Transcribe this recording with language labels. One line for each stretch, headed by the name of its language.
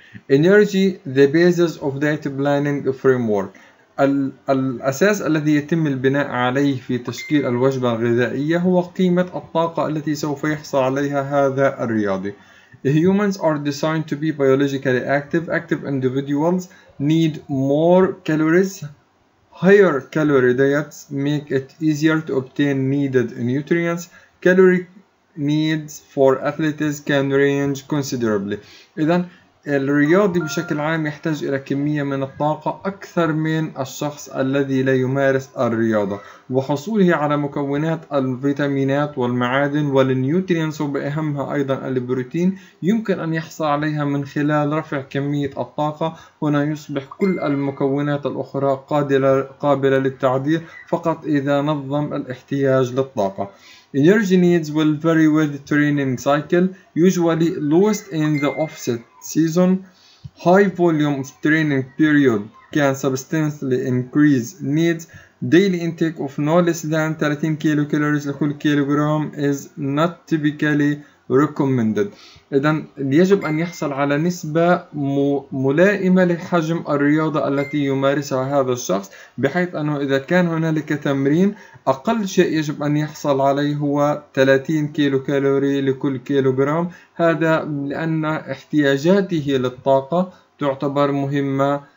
English: Energy, the basis of diet planning framework.
Arabic: الأساس الذي يتم البناء عليه في تشكيل الوجبة الغذائية هو قيمة الطاقة التي سوف يحصل عليها هذا الرياضي.
English: Humans are designed to be biologically active. Active individuals need more calories. Higher calorie diets make it easier to obtain needed nutrients. Calorie needs for athletes can range considerably.
Arabic: إذن الرياضي بشكل عام يحتاج إلى كمية من الطاقة أكثر من الشخص الذي لا يمارس الرياضة، وحصوله على مكونات الفيتامينات والمعادن والنيوترينز وبأهمها أيضا البروتين يمكن أن يحصل عليها من خلال رفع كمية الطاقة. هنا يصبح كل المكونات الأخرى قابلة للتعديل فقط إذا نظم الاحتياج للطاقة.
English: Energy needs will vary with training cycle. Usually lowest in the offset season, high volume of training period can substantially increase needs. Daily intake of no less than 13 kilocalories
Arabic: لكل كيلوغرام
English: is not typically recommended.
Arabic: إذا يجب أن يحصل على نسبة ملائمة لحجم الرياضة التي يمارسها هذا الشخص، بحيث أنه إذا كان هنالك تمرين أقل شيء يجب أن يحصل عليه هو 30 كيلو كالوري لكل كيلوغرام، هذا لأن احتياجاته للطاقة تعتبر مهمة